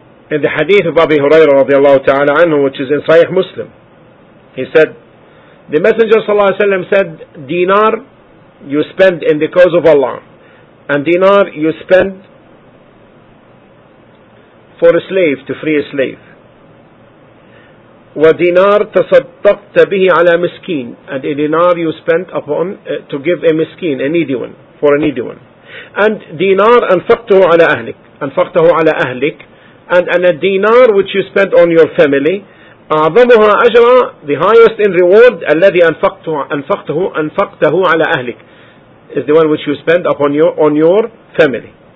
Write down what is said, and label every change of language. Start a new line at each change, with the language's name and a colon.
English: In the hadith of Abi Hurairah radiallahu ta'ala anhu, which is in Sahih Muslim, he said, the Messenger sallallahu alayhi wa sallam said, dinar you spend in the cause of Allah, and dinar you spend for a slave, to free a slave.
Arabic: وَدِنَارْ تَصَدَّقْتَ بِهِ عَلَى مِسْكِينَ.
English: And a dinar you spent upon to give a miskeen, a needy one, for a needy one. And dinar
Arabic: أَنْفَقْتَهُ عَلَى أَهْلِكَ. أَنْفَقْتَهُ عَلَى أَهْلِكَ.
English: And a dinar which you spent on your family,
Arabic: أَعْظَمُهَا أَجْرًا,
English: the highest in reward,
Arabic: الَّذِي أَنْفَقْتَهُ عَلَى أَهْلِكَ,
English: is the one which you spent upon on your family.